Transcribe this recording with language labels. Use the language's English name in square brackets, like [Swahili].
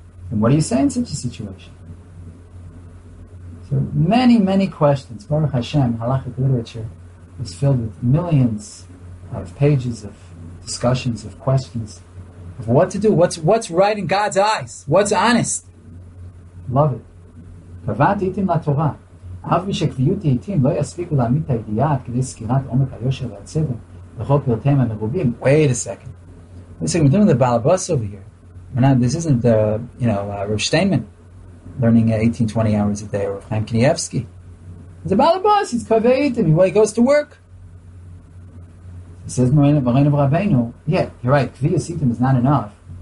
[English] And what do you say in such a situation? So many, many questions. Baruch Hashem, halachic literature is filled with millions of pages of discussions, of questions, of what to do, what's right in God's eyes, what's honest. Love it. [Hebrew] קבעת עיתים לתורה, אף משקביעות עיתים לא יספיקו להעמיד את הידיעה עד כדי סקירת עומק היושר והצבר לכל פרטיהם המרובים. [English] Wait a second. Listen, we're doing the balabas over here. This isn't the, you know, Rav Steinman learning 18, 20 hours a day, or Rav Chaim Knievsky. It's a balabas, he's kaveit, and he goes to work. He says, Moreno Rabbeinu, yeah, you're right, kviyas itim is not enough.